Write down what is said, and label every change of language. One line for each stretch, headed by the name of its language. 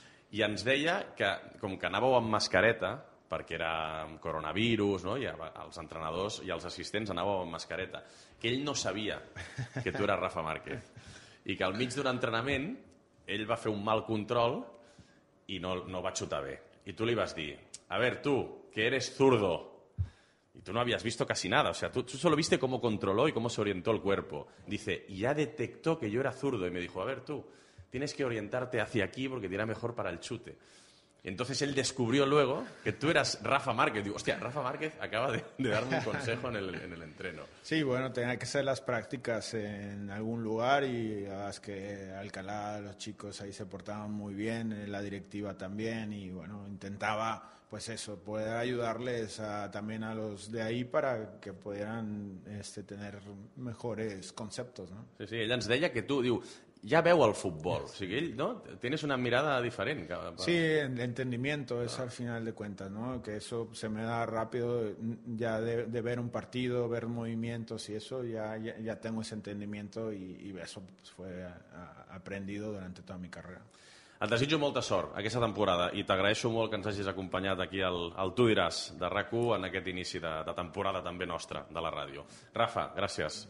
Catalan: I ens deia que, com que anàveu amb mascareta, perquè era coronavirus, no? I els entrenadors i els assistents anàveu amb mascareta, que ell no sabia que tu eres Rafa Márquez i que al mig d'un entrenament ell va fer un mal control i no va xutar bé. I tu li vas dir,
Spanish: a ver, tú, que eres zurdo. Y tú no habías visto casi nada, o sea, tú solo viste cómo controló y cómo se orientó el cuerpo. Dice, y ya detectó que yo era zurdo y me dijo, a ver, tú, tienes que orientarte hacia aquí porque te irá mejor para el chute. Entonces él descubrió luego que tú eras Rafa Márquez. Digo, hostia, Rafa Márquez acaba de darme un consejo en el entreno. Sí, bueno, tenía que hacer las prácticas en algún lugar y es que Alcalá, los chicos ahí se portaban muy bien, la directiva también y bueno, intentaba pues eso, poder ayudarles también a los de ahí para que pudieran tener mejores conceptos, ¿no?
Catalan: Sí, ella ens deia que tú, diu,
Spanish: ya veo al fútbol, o sea, ¿no? Tienes una mirada diferente. Sí, el entendimiento es al final de cuentas, ¿no? Que eso se me da rápido ya de ver un partido, ver movimientos y eso, ya tengo ese entendimiento y eso fue aprendido durante toda mi carrera.
Catalan: Et desitjo molta sort aquesta temporada i t'agraeixo molt que ens hagis acompanyat aquí al Tu Diràs de RAC1 en aquest inici de temporada també nostra de la ràdio. Rafa, gràcies.